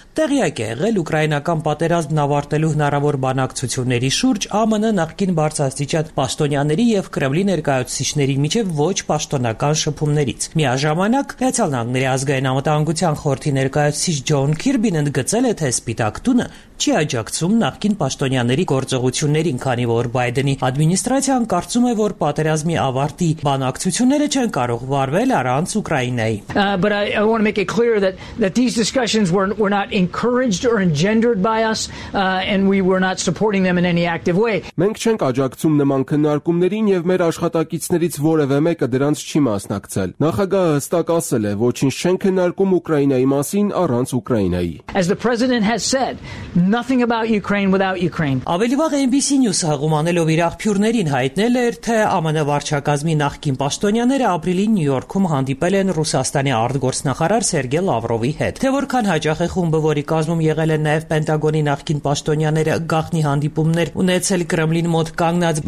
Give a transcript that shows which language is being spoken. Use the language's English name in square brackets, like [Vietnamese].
[Armenian] տեղյակ է եղել ուկրաինական պատերազմն ավարտելու հնարավոր բանակցությունների շուրջ ԱՄՆ նախկին բարձրաստիճան պաշտոնյաների և Կրեմլի ներկայացուցիչների միջև ոչ պաշտոնական շփումներից։ Միաժամանակ Հայցյալ Նանգների ազգային անվտանգության խորհրդի ներկայացուցիչ Ջոն Քիրբին ընդգծել է, թե Սպիտակ տունը չի աջակցում նախկին պաշտոնյաների գործողություններին, քանի որ Բայդենի ադմինիստրացիան կարծում է, որ պատերազմի ավարտի բանակցությունները չ չեն կարող վարվել առանց Ուկրաինայի։ [English] But I want to make it clear that these discussions were not encouraged or engendered by us and we were not supporting them in any active way. [Armenian] Մենք չենք աջակցում նման քննարկումներին եւ մեր աշխատակիցներից որևէ մեկը դրանց չի մասնակցել։ Նախագահը հստակ ասել է, ոչինչ չեն քննարկում Ուկրաինայի մասին առանց Ուկրաինայի։ [English] As the president has said, nothing about Ukraine without Ukraine. [Armenian] Ավելի վաղ NBC News-ը հաղորդելով իր աղբյուրներին հայտնել էր, թե ԱՄՆ վարչակազմի նախկին պաշտոնյաները ապրիլին Նյու Յորքում հանդիպել են Ռուսաստանի արտգործնախարար Սերգե Լավրովի հետ։ Թե որքան հաջող է խումբը, որի կազմում եղել են նաև Պենտագոնի նախկին պաշտոնյաները, գաղտնի հանդիպումներ ունեցել Կրեմլին մոտ կանգնած